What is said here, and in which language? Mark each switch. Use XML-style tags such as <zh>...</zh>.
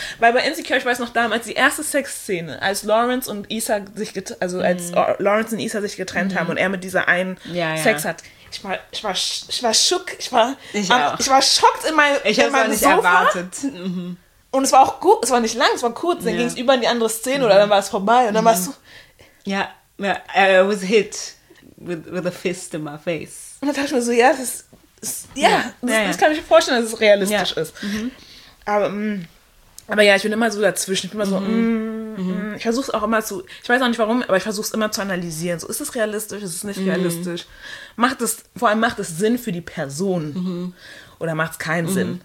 <de>Weil bei Insecure, ich weiß noch damals, die erste Sexszene, als Lawrence und Issa sich getrennt haben und er mit dieser einen Sex hat. Ich war schockt in meinem Sofa. Ich habe es nicht erwartet. Und es war auch gut, es war nicht lang, es war kurz. Dann ging es über in die andere Szene oder dann war es vorbei. Und dann war es so...</de> <en>Ja, I was hit with a fist in my face.</en> <de>Und dann dachte ich mir so, ja, das kann ich mir vorstellen, dass es realistisch ist. Mhm. Aber ja, ich bin immer so dazwischen. Ich bin immer so... Ich versuche es auch immer zu... Ich weiß auch nicht warum, aber ich versuche es immer zu analysieren. So, ist es realistisch, ist es nicht realistisch? Macht es Sinn für die Person? Mhm. Oder macht es keinen Sinn?</de>